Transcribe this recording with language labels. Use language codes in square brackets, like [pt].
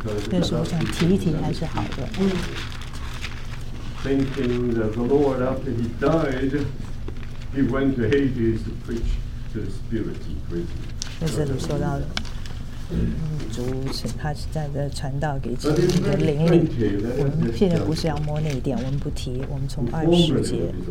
[zh] 但是我想提一提还是好的。 [en] Thinking that the Lord, after he died, he went to Hades to preach to the spirits in prison. [zh] 在这里说到，主神他在这传道给其他的灵里。我们现在不是要摸那一点，我们不提，我们从20节。